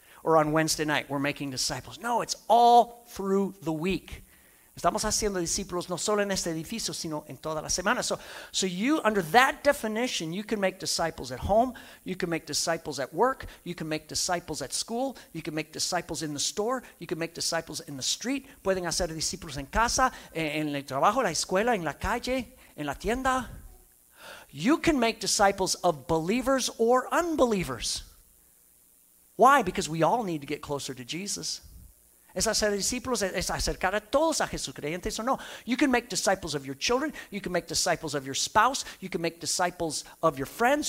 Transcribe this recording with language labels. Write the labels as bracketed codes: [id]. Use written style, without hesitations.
[en] or on Wednesday night we're making disciples. No, it's all through the week. [es] Estamos haciendo discípulos no solo en este edificio, sino en toda la semana. [en] So you, under that definition, you can make disciples at home, you can make disciples at work, you can make disciples at school, you can make disciples in the store, you can make disciples in the street. [es] Pueden hacer discípulos en casa, en el trabajo, la escuela, en la calle, en la tienda. [en] You can make disciples of believers or unbelievers. Why? Because we all need to get closer to Jesus. [es] Es hacer discípulos, es acercar a todos a Jesús, creyentes o no. [en] You can make disciples of your children. You can make disciples of your spouse. You can make disciples of your friends.